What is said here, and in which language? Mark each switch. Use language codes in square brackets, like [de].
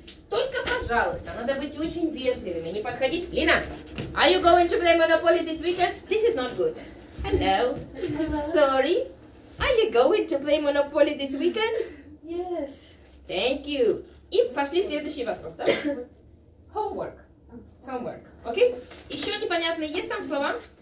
[ru] Только пожалуйста, надо быть очень вежливыми, не подходить. [en] Лина, are you going to play Monopoly this weekend? This is not good. Hello. Sorry. Are you going to play Monopoly this weekend? Yes. Thank you. [ru] И пошли следующий вопрос, да? [en] Homework. Homework. Okay? [ru] Еще непонятные есть там слова?